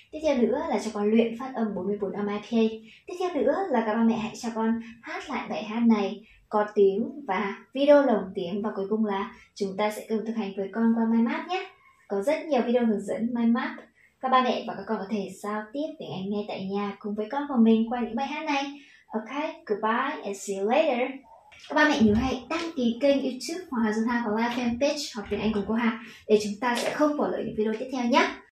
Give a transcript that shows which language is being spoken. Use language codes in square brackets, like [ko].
[vi] Tiếp theo nữa là cho con luyện phát âm 44 âm IPA. Tiếp theo nữa là các ba mẹ hãy cho con hát lại bài hát này có tiếng và video lồng tiếng. Và cuối cùng là chúng ta sẽ cùng thực hành với con qua MyMap nhé. Có rất nhiều video hướng dẫn MyMap. Các ba mẹ và các con có thể giao tiếp tiếng Anh ngay tại nhà cùng với con và mình qua những bài hát này. [en] Ok, goodbye and see you later. [vi] Các ba mẹ nhớ hãy đăng ký kênh YouTube Hoàng Hà Dương Hà và like fanpage Học Tiếng Anh cùng cô Hà để chúng ta sẽ không bỏ lỡ những video tiếp theo nhé.